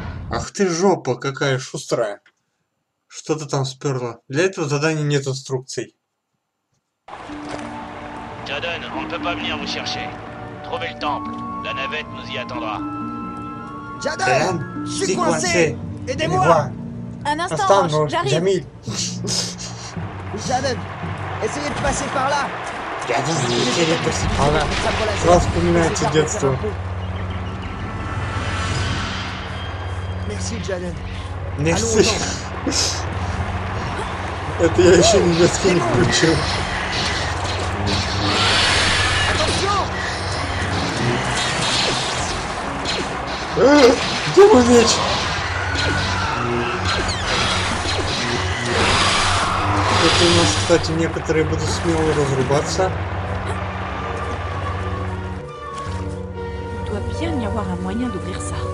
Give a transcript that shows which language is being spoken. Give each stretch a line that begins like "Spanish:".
Russian: Ах ты жопа, какая шустрая. Что-то там сперло. Для этого задания нет инструкций.
French: Джаден, on ne peut pas venir vous chercher. Trouvez le temple. La navette nous y attendra. Jadon, je suis coincé. Aidez-moi. Un instant, j'arrive. Jamil. Jadon, essayez de passer par là. Jadon, essayez de passer par là. Ça vous un petit gâteau. Merci, Jadon. Merci.
Russian: Это я еще не мяски не включил.
French: Attention!
Russian: Где мой меч? Тут у нас, кстати, некоторые будут смело разрубаться.
French: Il doit bien y avoir un moyen d'ouvrir ça.